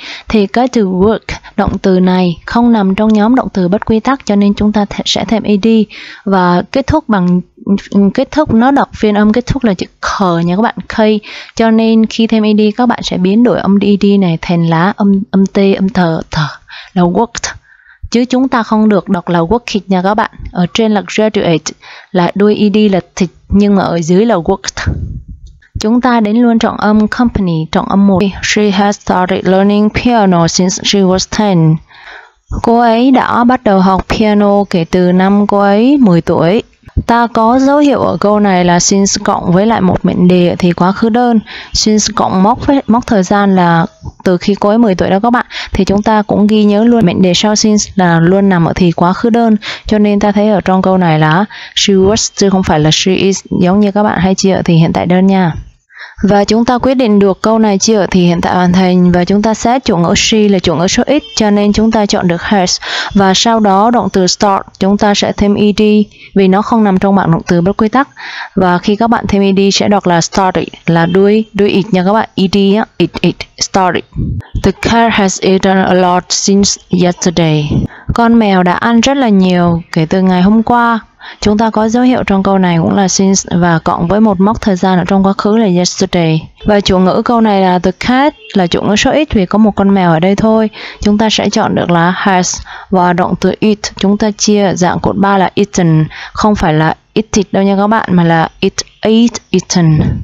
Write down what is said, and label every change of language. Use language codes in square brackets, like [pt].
[vi] Thì cái từ work, động từ này không nằm trong nhóm động từ bất quy tắc, cho nên chúng ta sẽ thêm ed và kết thúc bằng kết thúc, nó đọc phiên âm kết thúc là chữ k nha các bạn, k, cho nên khi thêm ed các bạn sẽ biến đổi âm ed này thành là âm t, âm th, th là worked, chứ chúng ta không được đọc là worked nha các bạn. Ở trên là graduate, là đuôi ed là thịt, nhưng mà ở dưới là worked. Chúng ta đến luôn trọng âm company, trọng âm 1. [en] She has started learning piano since she was 10. [vi] Cô ấy đã bắt đầu học piano kể từ năm cô ấy 10 tuổi. Ta có dấu hiệu ở câu này là since cộng với lại một mệnh đề thì quá khứ đơn. Since cộng mốc với mốc thời gian là từ khi cô ấy 10 tuổi đó các bạn. Thì chúng ta cũng ghi nhớ luôn mệnh đề sau since là luôn nằm ở thì quá khứ đơn. Cho nên ta thấy ở trong câu này là [en] she was [vi] chứ không phải là [en] she is, [vi] giống như các bạn hay chia ở thì hiện tại đơn nha. Và chúng ta quyết định được câu này chưa thì hiện tại hoàn thành, và chúng ta xét chủ ngữ she là chủ ngữ số ít cho nên chúng ta chọn được has, và sau đó động từ start chúng ta sẽ thêm ed vì nó không nằm trong bảng động từ bất quy tắc, và khi các bạn thêm ed sẽ đọc là started, là đuôi it nha các bạn, ed á, it. story. [en] The cat has eaten a lot since yesterday. [vi] Con mèo đã ăn rất là nhiều kể từ ngày hôm qua. Chúng ta có dấu hiệu trong câu này cũng là since và cộng với một mốc thời gian ở trong quá khứ là yesterday. Và chủ ngữ câu này là [en] the cat, [vi] là chủ ngữ số ít vì có một con mèo ở đây thôi. Chúng ta sẽ chọn được là has. Và động từ eat chúng ta chia dạng cột 3 là eaten, không phải là eat đâu nha các bạn, mà là [en] it ate eaten.